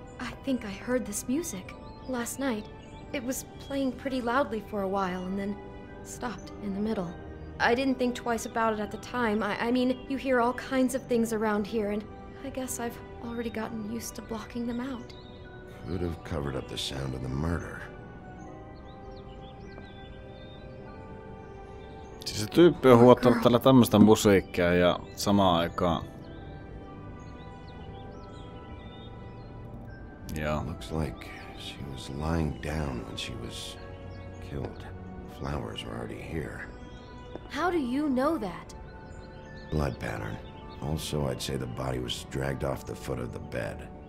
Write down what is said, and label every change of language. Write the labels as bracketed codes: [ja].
[en] I think I heard this music. Last night, it was playing pretty loudly for a while and then stopped in the middle. I didn't think twice about it at the time. I mean, you hear all kinds of things around here, and I guess I've already gotten used to blocking them out. Could have covered up the sound of the murder. [fi] Siis se tyyppi on huottanut tällä tämmöstä musiikkia ja samaan aikaan. Joo. [en] Looks like she was lying down when she was killed. Flowers were already here. How do you know that? Blood pattern. Also, I'd say the body was dragged off the foot of the bed.